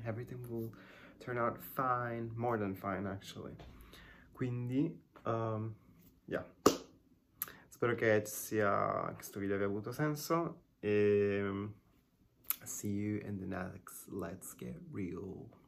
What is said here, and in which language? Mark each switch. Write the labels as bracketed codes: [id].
[en] Everything will turn out fine, more than fine, actually. [it] Quindi, yeah. Spero che questo video abbia avuto senso. E [en] see you in the next [it] Let's Get Real.